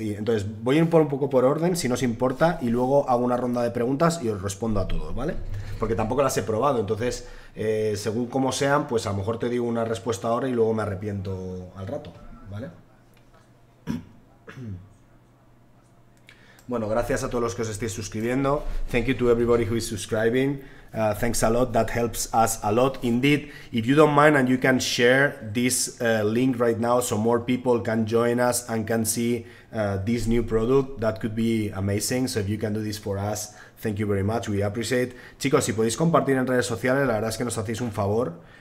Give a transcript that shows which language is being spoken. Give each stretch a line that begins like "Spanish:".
Spanish: Y entonces, voy a ir un poco por orden, si no os importa, y luego hago una ronda de preguntas y os respondo a todos, ¿vale? Porque tampoco las he probado, entonces, según como sean, pues a lo mejor te digo una respuesta ahora y luego me arrepiento al rato, ¿vale? Bueno, gracias a todos los que os estáis suscribiendo.
English: Thank you to everybody who is subscribing. Thanks a lot, that helps us a lot. Indeed, if you don't mind and you can share this link right now so more people can join us and can see this new product, that could be amazing. So if you can do this for us, thank you very much, we appreciate.
Spanish: Chicos, si podéis compartir en redes sociales, la verdad es que nos hacéis un favor.